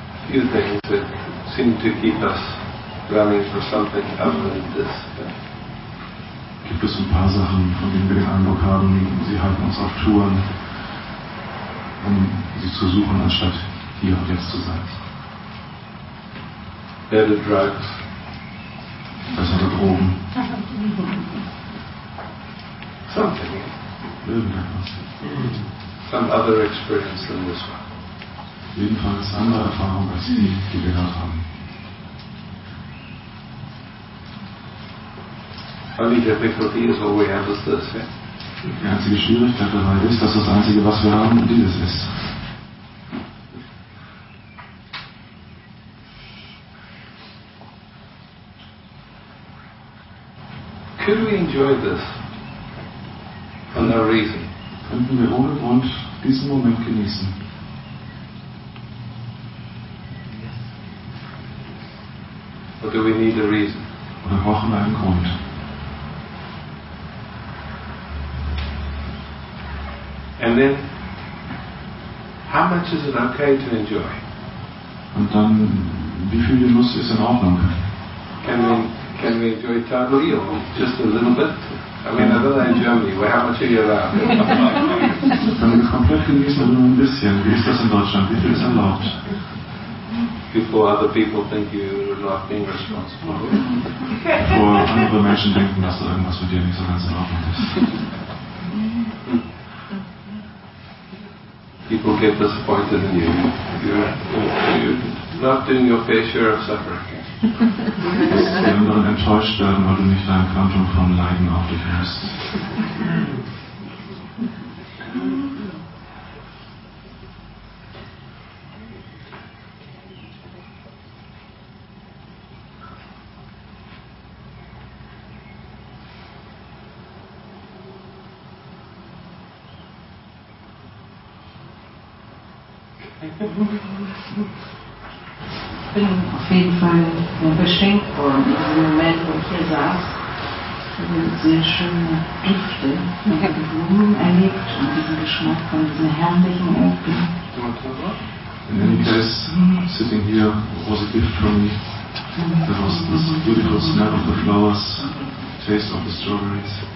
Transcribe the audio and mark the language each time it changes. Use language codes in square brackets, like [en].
[en] Few things that seem to keep us running for something other than this. [de] Gibt es ein paar Sachen, von denen wir den Eindruck haben, sie halten uns auf Touren, um sie zu suchen, anstatt hier und jetzt zu sein? [en] Better drugs. [de] Bessere Drogen. [en] something else. Some other experience than this one. [de] Jedenfalls andere Erfahrung als die, die wir gerade haben. [en] Only difficulty is all we have is this, yeah? [de] Die einzige Schwierigkeit dabei ist, dass das Einzige, was wir haben, dieses ist. [en] Could we enjoy this for no reason? [de] Könnten wir ohne Grund diesen Moment genießen? [en] Or do we need a reason? [de] Oder brauchen wir einen Grund? [en] And then, how much is it okay to enjoy? [de] Und dann, wie viel Genuss ist in Ordnung? [en] Can we enjoy totally or just a little bit? I mean, other than Germany, well, how much are you allowed? [de] Können wir komplett genießen oder nur ein bisschen? Wie ist das in Deutschland? Wie viel ist erlaubt? [en] Before other people think you're not being responsible. [de] Bevor andere Menschen denken, dass da irgendwas mit dir nicht so ganz in Ordnung ist. [en] People get disappointed in you. You're not doing your fair share of suffering. [de] Dass die anderen enttäuscht werden, weil du nicht dein Quantum von Leiden auf dich hast. Ich bin auf jeden Fall beschenkt worden in diesem Moment, wo ich hier saß. Ich habe sehr schöne Düfte mit den Blumen erlebt und diesen Geschmack von diesen herrlichen Öfen. [en] In any case, sitting here, was a gift from me. That was the beautiful smell of the flowers, taste of the strawberries.